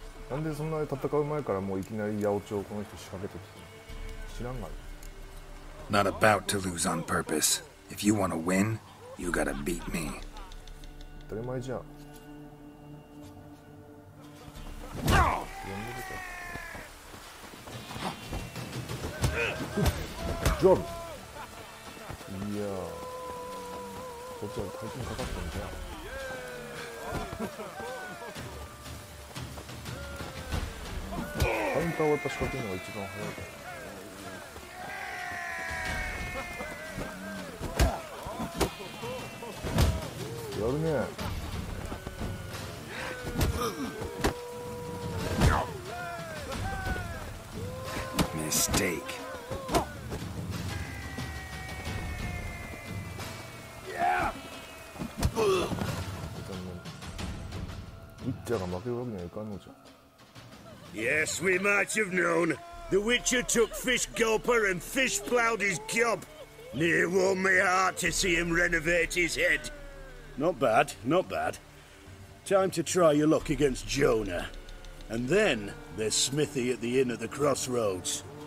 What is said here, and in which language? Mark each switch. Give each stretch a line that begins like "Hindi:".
Japanese: なんでそんなに戦う前からもういきなり八百長をこの人仕掛けてきて知らんがる。
English: Not about to lose on purpose. If you want to win, you gotta beat me.
Japanese: 当たり前じゃん。ジョブ。いやー、こっちは大金かかったんじゃん。カウンターを仕掛けるのが一番早いから。やるね。ミステイク。ウッチャーが負けるわけにはいかんのじゃ。
English: Yes, we might have known. The Witcher took Fish Gulper and fish plowed his gob. Near warmed my heart to see him renovate his head. Not bad, not bad. Time to try your luck against Jonah. And then there's Smithy at the Inn of the Crossroads.